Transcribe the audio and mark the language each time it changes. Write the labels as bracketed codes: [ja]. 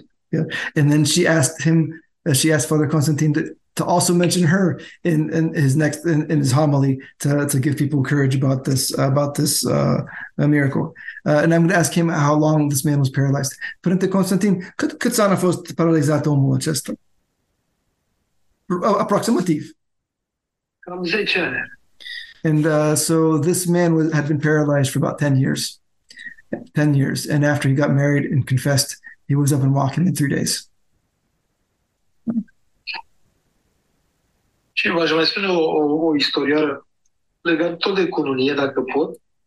[en] Yeah. And then she asked him, she asked Father Constantine to also mention her in his his homily to give people courage about this miracle. And I'm going to ask him how long this man was paralyzed. [ro] Părinte Constantine, cât s-a fost paralizat omul acesta? Aproximativ. Cam 10 ani. [en] And so this man had been paralyzed for about 10 years. And after he got married and confessed, he was up and walking in 3 days. [ro] Și v-aș mai spune o istorioară legată tot de cununie, dacă pot.